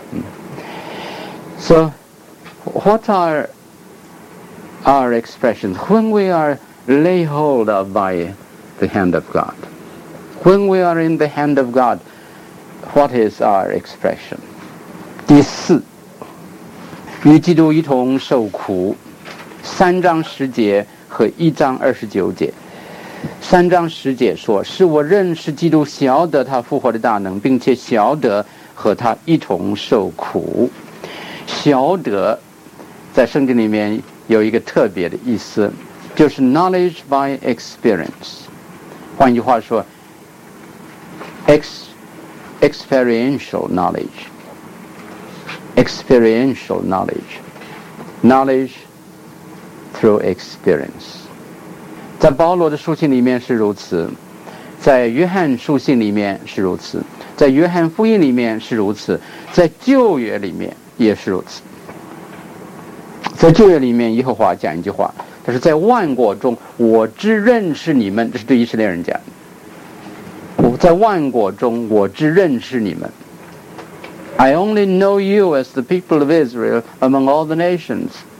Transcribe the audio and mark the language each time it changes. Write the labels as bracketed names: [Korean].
[English] 嗯， So what are our expressions when we are lay hold of by the hand of GodWhen we are in the hand of God, what is our expression? [Chinese] 第四，与基督一同受苦，3:10和1:29。 3:10说，是我认识基督，晓得他复活的大能，并且晓得和他一同受苦。晓得，在圣经里面有一个特别的意思，就是 [English] knowledge by experience。 [Chinese] 换句话说 [English] experiential knowledge through experience， [Chinese] 在保罗的书信里面是如此，在约翰书信里面是如此，在约翰福音里面是如此，在旧约里面也是如此。在旧约里面耶和华讲一句话，他说在万国中我只认识你们，这是对以色列人讲的，我在万国中我只认识你们。 [English] I only know you as the people of Israel among all the nations.